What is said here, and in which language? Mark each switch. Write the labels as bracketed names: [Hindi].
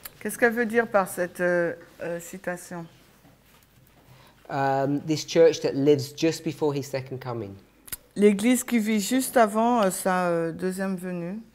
[French] Qu'est-ce qu'elle veut dire par cette citation? [English] This church that lives just before his second coming. [French] L'église qui vit juste avant sa deuxième venue.